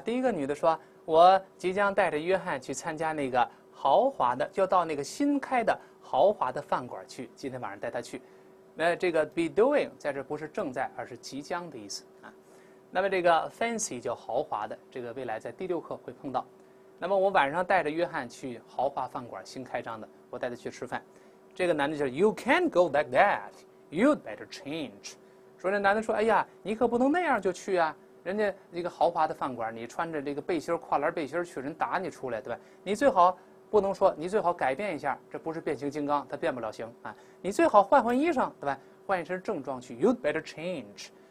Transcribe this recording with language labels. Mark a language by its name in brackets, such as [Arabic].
[Chinese] 第一个女的说，我即将带着约翰去参加那个豪华的，就到那个新开的豪华的饭馆去，今天晚上带他去。那这个 be doing 在这不是正在，而是即将的意思啊。那么这个 fancy 叫豪华的，这个未来在第六课会碰到。那么我晚上带着约翰去豪华饭馆，新开张的，我带他去吃饭。这个男的就是 [English] you can't go like that, you'd better change。 [Chinese] 说这男的说，哎呀，你可不能那样就去啊，人家一个豪华的饭馆，你穿着这个背心跨栏背心去，人打你出来，对吧？你最好不能说，你最好改变一下，这不是变形金刚，他变不了形啊。你最好换换衣裳，对吧？换一身正装去。 [English] You'd better change.